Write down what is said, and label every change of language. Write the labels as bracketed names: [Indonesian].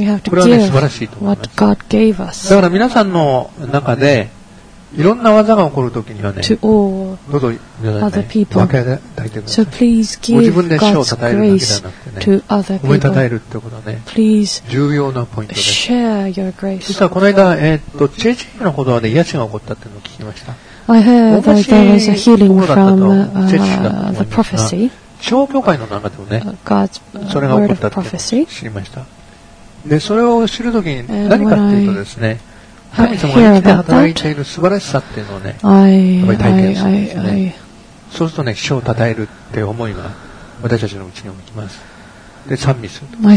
[Japanese] これはね、素晴らしいと思います。だから皆さんの中でいろんな技が起こるときにはね、どうぞ皆さんね、分け与えてください。 [English] So、please give [Japanese] ご自分で主を称えるだけじゃなくてね、褒め称えるってことはね、 [English] please、 [Japanese] 重要なポイントです。 [English] Share your grace. [Japanese] 実はこの間、チェチェンの歩道で癒しが起こったっていうのを聞きました。 [English] I heard that there was a healing from the prophecy. [Japanese] 地方教会の中でもね、それが起こったっていうのを知りました。で、それを知るときに何かっていうとですね、神様が生きて働いている素晴らしさっていうのをね、やっぱり体験するんですね。そうするとね、主を称えるって思いが私たちのうちに起きます。で、賛美すると。